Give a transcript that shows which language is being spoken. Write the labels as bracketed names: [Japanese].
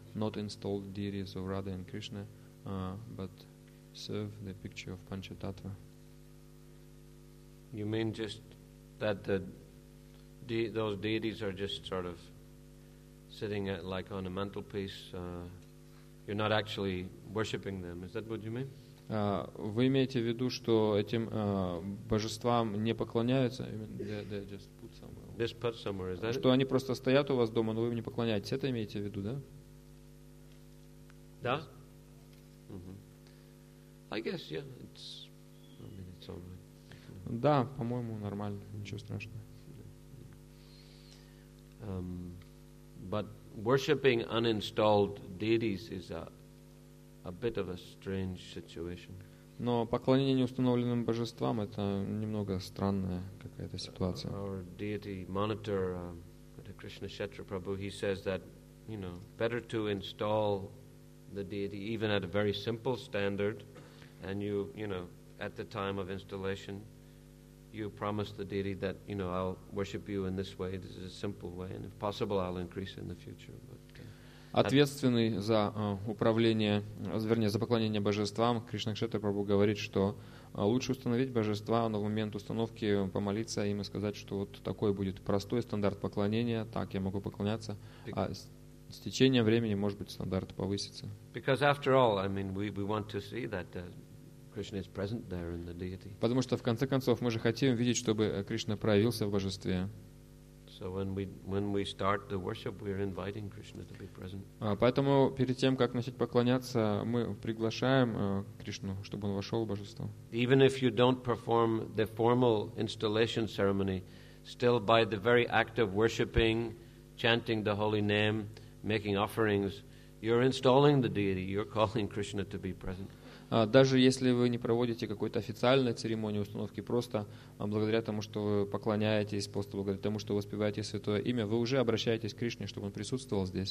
[English] not install deities of Radha and Krishna, but serve the picture of Panchatattva. You mean just that the those deities are just sort of sitting at, like on a mantelpiece? You're not actually worshipping them. Is that what you mean? [Russian] Вы имеете в виду, что этим божествам не поклоняются? [English] I mean, they just put somewhere. Just put somewhere. Is that? [Russian] Что они просто стоят у вас дома, но вы им не поклоняетесь? Это имеете в виду, да? [English] Да. Mm-hmm. I guess, yeah. It's, I mean, it's all right. [Russian] Да, по-моему, нормально, ничего страшного. [English] But worshipping uninstalled deities is a bit of a strange situation. [Russian] Но поклонение неустановленным божествам это немного странная какая-то ситуация. [English] Our deity monitor, Krishna Kshetra Prabhu, he says that, you know, better to install the deity even at a very simple standard, and you know, at the time of installation, you promise the deity that, you know, I'll worship you in this way, this is a simple way, and if possible, I'll increase in the future. But, [Russian] ответственный за управление, вернее, за поклонение божествам, Кришна Кшетра Прабху говорит, что лучше установить божества, но в момент установки помолиться им и сказать, что вот такой будет простой стандарт поклонения, так я могу поклоняться, а с течением времени, может быть, стандарт повысится. [English] Because after all, I mean, we want to see that Krishna is present there in the deity. [Russian] Потому что в конце концов мы же хотим видеть, чтобы Кришна проявился в божестве. [English] So when we start the worship, we are inviting Krishna to be present. [Russian] Поэтому перед тем, как начать поклоняться, мы приглашаем Кришну, чтобы он вошел в божество. [English] Even if you don't perform the formal installation ceremony, still by the very act of worshiping, chanting the holy name, making offerings, you're installing the deity. You're calling Krishna to be present. [Russian] Даже если вы не проводите какой-то официальной церемонии установки, просто благодаря тому, что вы поклоняетесь, просто благодаря тому, что вы воспеваете святое имя, вы уже обращаетесь к Кришне, чтобы он присутствовал